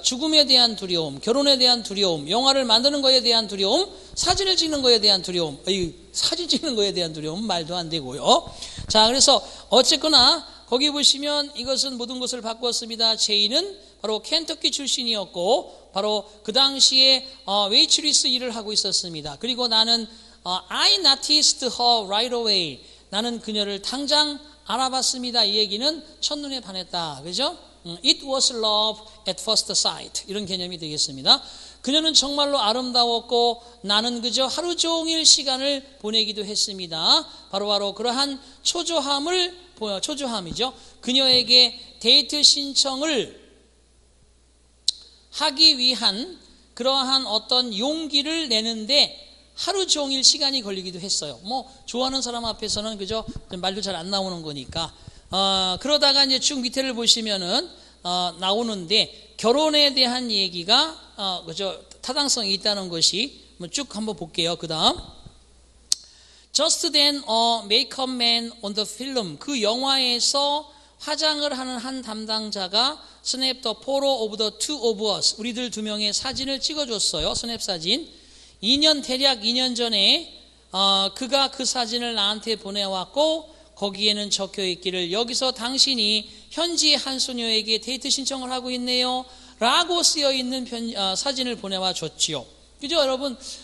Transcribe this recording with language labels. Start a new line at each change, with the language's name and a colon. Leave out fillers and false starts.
Korean: 죽음에 대한 두려움, 결혼에 대한 두려움, 영화를 만드는 거에 대한 두려움, 사진을 찍는 거에 대한 두려움. 사진 찍는 거에 대한 두려움은 말도 안 되고요. 자, 그래서 어쨌거나 거기 보시면 이것은 모든 것을 바꾸었습니다. 제인은 바로 켄터키 출신이었고 바로 그 당시에 웨이트리스 일을 하고 있었습니다.
English: 그리고 나는 I noticed her right away.
Korean: 나는 그녀를 당장 알아봤습니다. 이 얘기는 첫눈에 반했다. 그죠?
English: It was love at first sight.
Korean: 이런 개념이 되겠습니다. 그녀는 정말로 아름다웠고 나는 그저 하루 종일 시간을 보내기도 했습니다. 바로 그러한 초조함이죠. 그녀에게 데이트 신청을 하기 위한 그러한 어떤 용기를 내는데 하루 종일 시간이 걸리기도 했어요. 뭐 좋아하는 사람 앞에서는 그죠 말도 잘 안 나오는 거니까. 그러다가 이제 쭉 밑에를 보시면은 나오는데 결혼에 대한 얘기가 그죠 타당성이 있다는 것이 뭐 쭉 한번 볼게요.
English: 그다음 Just then a makeup man on the film.
Korean: 그 영화에서 화장을 하는 한 담당자가 snap the photo of the two of us. 우리들 두 명의 사진을 찍어줬어요. 스냅사진. 대략 2년 전에 그가 그 사진을 나한테 보내왔고 거기에는 적혀있기를 여기서 당신이 현지 한 소녀에게 데이트 신청을 하고 있네요 라고 쓰여있는 사진을 보내와 줬지요. 그죠 여러분?